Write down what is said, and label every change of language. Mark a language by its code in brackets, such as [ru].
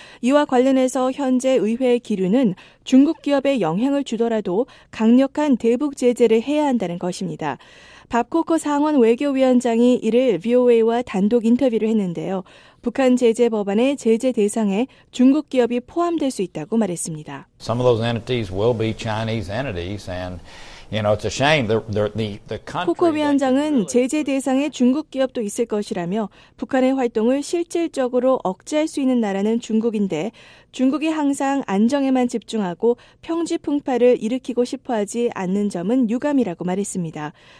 [ko] 이와 관련해서 현재 의회의 기류는 중국 기업에 영향을 주더라도 강력한 대북 제재를 해야 한다는 것입니다. 밥 코커 상원 외교위원장이 이를 VOA와 단독 인터뷰를 했는데요. 북한 제재 법안의 제재 대상에 중국 기업이 포함될 수 있다고 말했습니다. [en] Some of those entities will be Chinese entities and you know, it's a shame. The country [ko] 코코 위원장은 제재 대상에 중국 기업도 있을 것이라며 북한의 활동을 실질적으로 억제할 수 있는 나라는 중국인데 중국이 항상 안정에만 집중하고 평지풍파를 일으키고 싶어하지 않는 점은 유감이라고 말했습니다.